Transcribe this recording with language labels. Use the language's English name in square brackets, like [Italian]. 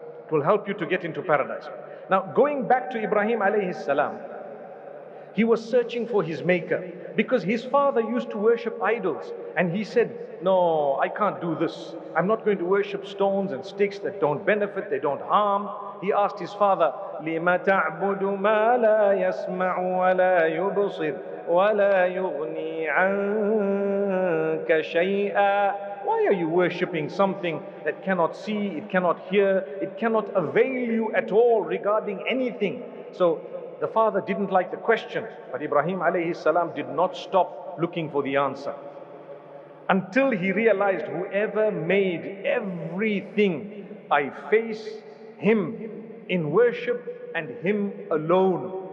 [English] Will help you to get into paradise. Now, going back to Ibrahim alayhi salam, he was searching for his maker because his father used to worship idols, and he said, no, I can't do this. I'm not going to worship stones and sticks that don't benefit, they don't harm. He asked his father, [Arabic] لِمَ تَعْبُدُ مَا لَا يَسْمَعُ وَلَا يُبْصِرُ وَلَا يُغْنِي عَنْكَ شَيْئًا. [English] Why are you worshipping something that cannot see, it cannot hear, it cannot avail you at all regarding anything? So the father didn't like the question, but Ibrahim alayhi salam did not stop looking for the answer until he realized, whoever made everything, I face him in worship and him alone.